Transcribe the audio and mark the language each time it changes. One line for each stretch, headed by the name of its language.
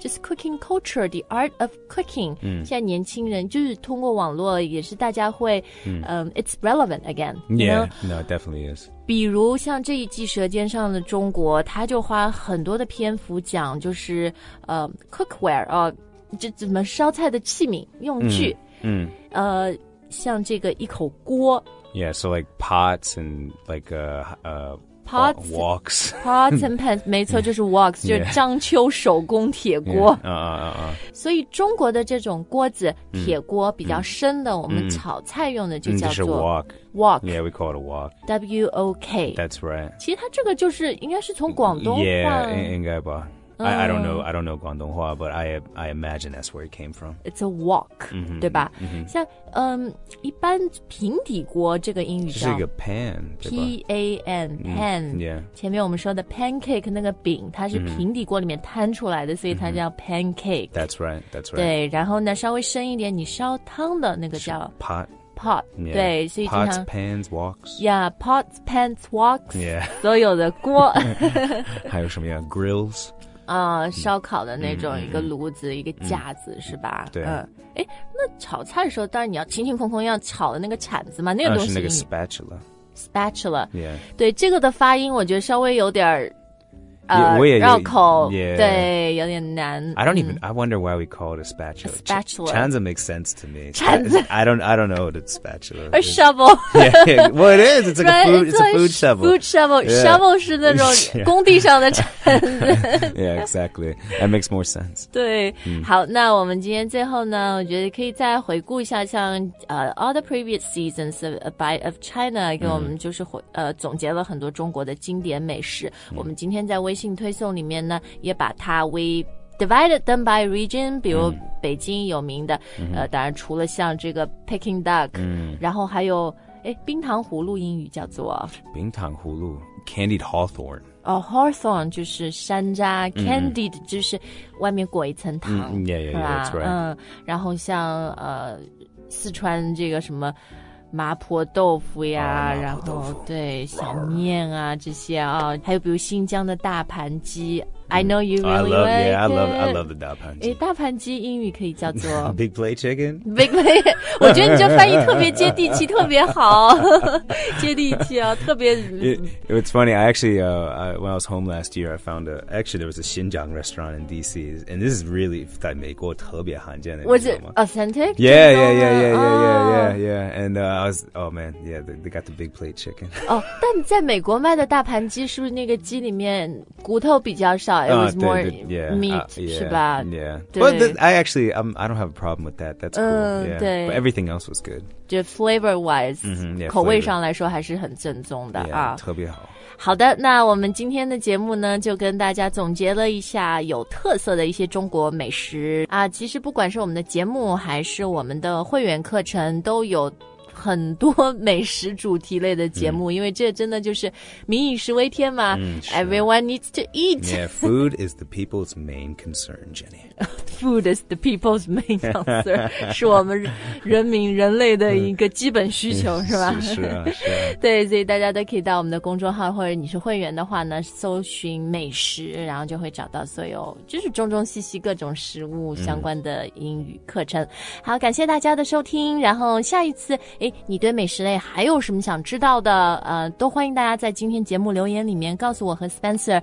English: just cooking culture, the art of cooking,、 mm-hmm.
Chinese: 现在年轻人就是通过网络也是大家会、mm-hmm.
English: It's relevant again. Yeah, you know? no, it definitely is.
Chinese: 比如像这一季《舌尖上的中国》，他就花很多的篇幅讲，就是cookware 啊、这怎么烧菜的器皿用具，嗯，像这个一口锅
English: ，Yeah, so like pots and like pots, woks, pots and pans，
Chinese: 没错，就是 woks， 就是章丘手工铁锅，啊啊啊啊，所以中国的这种锅子，铁锅比较深的，我们炒菜用的就叫做
English: wok。 Walk. Yeah, we call it a walk. W-O-K. That's right.
Chinese: 其实它这个就是应该是从广东话。
English: Yeah,
Chinese: 应该吧。
English: I don't know. I don't know 广东话, but I imagine that's where it came from. It's a walk,、 mm-hmm,
Chinese: 对吧、 mm-hmm. 像一般平底锅这个英语叫。是一个 pan, 对吧
English: P-A-N, pan.、 Mm-hmm, yeah.
Chinese: 前面我们说的 pancake 那个饼它是平底锅里面摊出来的、mm-hmm. 所以它叫 pancake.、Mm-hmm.
English: That's right, that's right.
Chinese: 对然后呢稍微深一点你烧汤的那个叫。
English: Pot. Pot, yeah.
Chinese: 对所以经常
English: Pots, pans, woks. Yeah, pots, pans, woks. Yeah.
Chinese: 所有的锅。还有什么呀 grills. 啊、烧烤的那种、mm-hmm. 一个炉子一个架子、mm-hmm. 是吧对。那炒菜的时候当然你要勤勤恳恳要炒的那个铲子嘛那个东西。是那个 spatula.
English: Spatula. Yeah.
Chinese: 对这个的发音我觉得稍微有点绕口
English: yeah.
Chinese: 对有点难
English: I don't even、I wonder why we call it a spatula a spatula Chanza makes sense to me Chanza I don't know what a spatula is A shovel yeah, Well it is it's, like right, a food, it's a food shovel Food shovel、 yeah.
Chinese: Shovel 是那种工地上的铲子
English: Yeah exactly That makes more sense
Chinese: 对、好那我们今天最后呢我觉得可以再回顾一下像、
English: All the previous seasons of A Bite of China
Chinese: 给我们就是、总结了很多中国的经典美食、我们今天在微信推送里面呢也把它
English: we divided them by region
Chinese: 比如北京有名的、当然除了像这个 Peking Duck、然后还有冰糖葫芦英语叫做冰糖葫芦 Candied Hawthorn、 Hawthorn 就是山楂 Candied 就是外面裹一层糖、
English: yeah, that's right、
Chinese: 然后像、四川这个什么麻婆豆腐呀、然后对小面啊这些啊、还有比如新疆的大盘鸡、
English: I know you really like、 oh, it. Yeah, I love the 大盘鸡。
Chinese: 大盘鸡英语可以叫做
English: Big plate chicken?
Chinese: Big plate, 我觉得你这翻译特别接地气特别好。接地气啊特别。
English: It's funny, I actually, when I was home last year, I found actually there was a 新疆 restaurant in DC, and this is really
Chinese: 在美国特别罕见的。
English: Was it authentic? Yeah. And I was, oh man, yeah, they got the big plate chicken.
Chinese: 但在美国卖的大盘鸡是不是那个鸡里面骨头比较少
English: It was more meat,
Chinese: 是吧
English: Yeah. But I don't have a problem with that. That's cool. Yeah. But everything else was good. 就 flavor wise,、 yeah,
Chinese: 口味上来说还是很正宗的
English: yeah, 啊，
Chinese: 特别好。好的，那我们今天的节目呢，就跟大家总结了一下有特色的一些中国美食啊。其实不管是我们的节目，还是我们的会员课程，都有。很多美食主题类的节目、嗯、因为这真的就是民以食为天嘛、嗯、
English: Everyone needs to eat. Yeah, food is the people's main concern, Jenny. Food is the people's main concern.
Chinese: 是我们人民人类的一个基本需求是吧是啊是啊对所以大家都可以到我们的公众号或者你是会员的话呢搜寻美食然后就会找到所有就是中中西西各种食物相关的英语课程、嗯、好感谢大家的收听然后下一次诶你对美食类还有什么想知道的都欢迎大家在今天节目留言里面告诉我和 Spencer、